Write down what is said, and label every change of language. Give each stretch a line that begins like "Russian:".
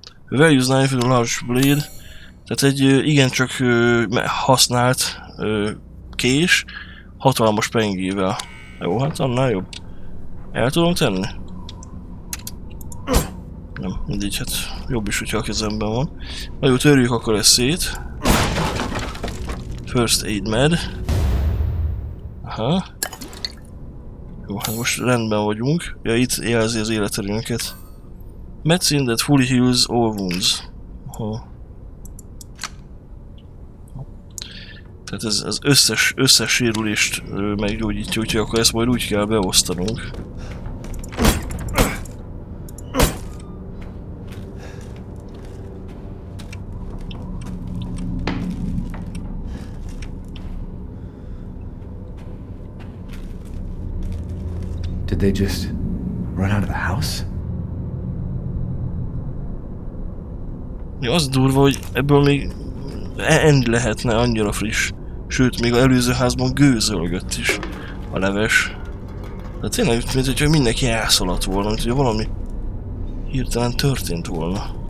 English: Values knife with a large blade.
Hungarian: Tehát egy igencsak használt kés hatalmas pengével. Jó, hát annál jobb. El tudom tenni? Nem, mindegy, hát jobb is, hogyha a kezemben van. Na jó, törjük akkor ezt szét. First aid med. Aha. Jó, hát most rendben vagyunk. Ja, itt jelzi az életerőnket.
English: Medicine that fully heals all wounds. Aha.
Hungarian: Tehát ez az összes sérülést meggyógyítja, úgyhogy akkor ezt majd úgy kell beosztanunk.
English: Did they just run out of the house?
Hungarian: Mi az durva, hogy ebből még enni lehetne, annyira friss. Sőt, még az előző házban gőzölgött is a leves. De tényleg, mintha mindenki elszaladt volna, mintha valami hirtelen történt volna.